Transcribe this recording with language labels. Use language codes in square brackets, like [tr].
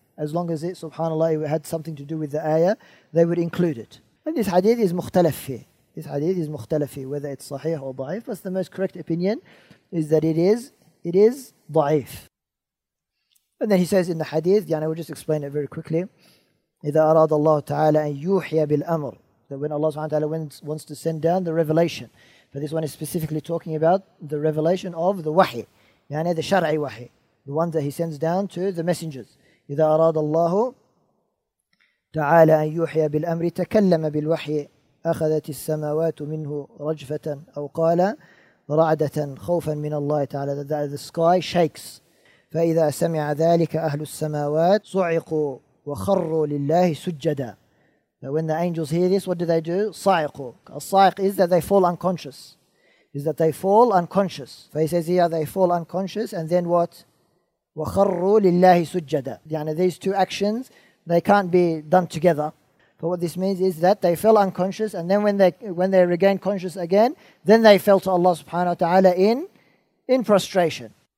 [en] As long as it, subhanAllah, it had something to do with the ayah, they would include it. And this hadith is mukhtalafi. This hadith is mukhtalafi, whether it's sahih or da'if. But the most correct opinion is that it is da'if. And then he says in the hadith, I will just explain it very quickly. [ar] إذا أراد الله تعالى أن يوحي بالأمر. [en] That when Allah subhanahu wa ta'ala wants to send down the revelation. But this one is specifically talking about the revelation of the wahi. يعني the shar'i wahi. The one that he sends down to the messengers. [ar] إذا أراد الله تعالى أن يوحي بالأمر تكلم بالوحي أخذت السماوات منه رجفة أو قال رعدة خوفا من الله تعالى. [en] That the sky shakes. [ar] فإذا سمع ذلك أهل السماوات صعقوا وَخَرُّوا لِلَّهِ سُجَّدًا. [en] Now when the angels hear this, what do they do? [ar] صَعِقُوا. [en] الصَّعِق is that they fall unconscious. For he says here, they fall unconscious, and then what? [ar] وَخَرُّوا لِلَّهِ سُجَّدًا. [en] Yani these two actions, they can't be done together. But what this means is that they fell unconscious, and then when they regained conscious again, then they fell to Allah subhanahu wa ta'ala in prostration.